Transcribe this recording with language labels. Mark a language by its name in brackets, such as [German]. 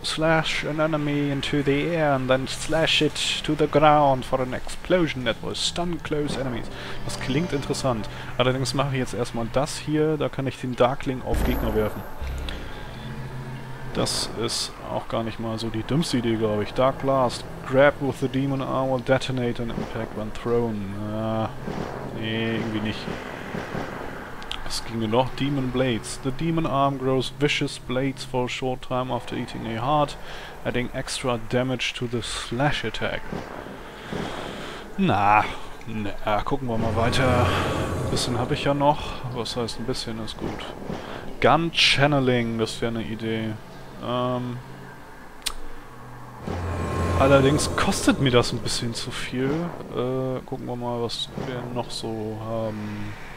[English] Slash an enemy into the air and then slash it to the ground for an explosion that will stun close enemies. [German] Das klingt interessant. Allerdings mache ich jetzt erstmal das hier. Da kann ich den Darkling auf Gegner werfen. Das ist auch gar nicht mal so die dümmste Idee, glaube ich. [English] Dark Blast. Grab with the demon arm or detonate an impact when thrown. [German] Ah, nee, irgendwie nicht. Es ginge noch. Demon Blades. [English] The demon arm grows vicious blades for a short time after eating a heart, adding extra damage to the slash attack. [German] Na, na, gucken wir mal weiter. Ein bisschen habe ich ja noch. Was heißt ein bisschen ist gut. Gun Channeling, das wäre eine Idee. Allerdings kostet mir das ein bisschen zu viel. Gucken wir mal, was wir noch so haben.